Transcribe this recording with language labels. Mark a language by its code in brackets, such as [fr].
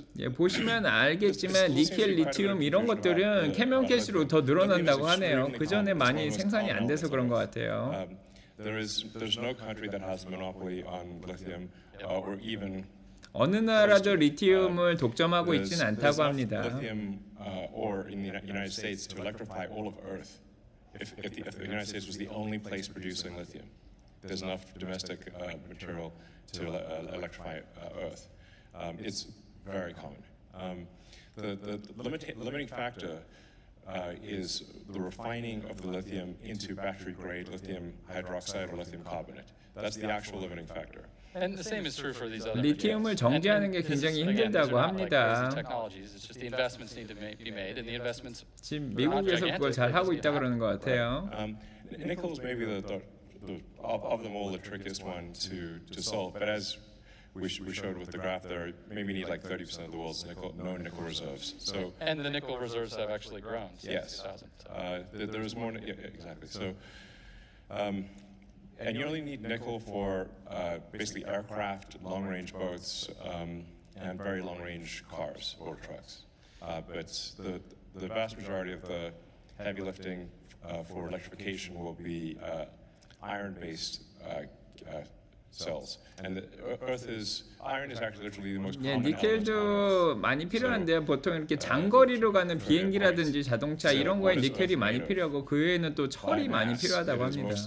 [ko] 예, 보시면 알겠지만 니켈, 리튬 이런 것들은 캐면 캐시로 더 늘어난다고 하네요. 그 전에 많이 생산이 안 돼서 그런 것 같아요. [en] There's no country that has monopoly on lithium or even [ko] 어느 나라도 리튬을 독점하고 있지는 않다고 합니다. [en] Lithium or in the United States to electrify all of Earth. If the United States was the only place producing lithium, there's enough domestic material to electrify Earth. It's very common. The limiting factor is the refining of the lithium into battery-grade lithium hydroxide or lithium carbonate. That's the actual limiting factor. And the same is true for these other. [ko] 리튬을 정제하는 게 굉장히 힘들다고 합니다. [en] It's just the investments need to be made, and the investments. [ko] 지금 미국에서 그걸 잘 하고 있다 그러는 것 같아요. [en] Nickel is maybe the of them all the trickiest one to solve. But as we showed with the graph, there maybe need like 30% of the world's known nickel reserves. So. And the nickel reserves have actually grown. Yes. There is more. Yeah, exactly. So. And you only need nickel for basically aircraft, long-range boats, and very long-range cars or trucks. But the vast majority of the heavy lifting for electrification will be iron-based cells. And Earth is iron is actually literally the most common. [ko] 네, 니켈도 많이 필요한데 보통 이렇게 장거리로 가는 비행기라든지 자동차 이런 거에 니켈이 많이 필요하고 그 외에는 또 철이 많이 필요하다고 합니다.